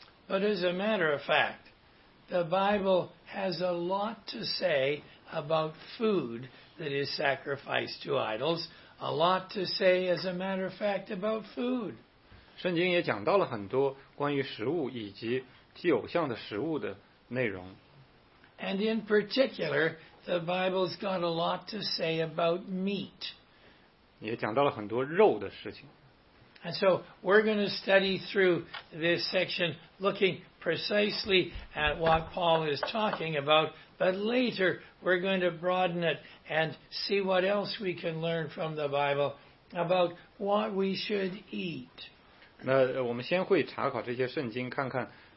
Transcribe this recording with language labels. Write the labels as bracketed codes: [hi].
[en] But as a matter of fact, the Bible has a lot to say about food that is sacrificed to idols, a lot to say as a matter of fact about food. [zh] 圣经也讲到了很多关于食物以及祭偶像的食物的内容。 [en] And in particular, the Bible's got a lot to say about meat. [zh] 也讲到了很多肉的事情。 [en] And so we're going to study through this section looking precisely at what Paul is talking about, but later we're going to broaden it and see what else we can learn from the Bible about what we should eat. [zh] 那我们先会查考这些圣经，看看。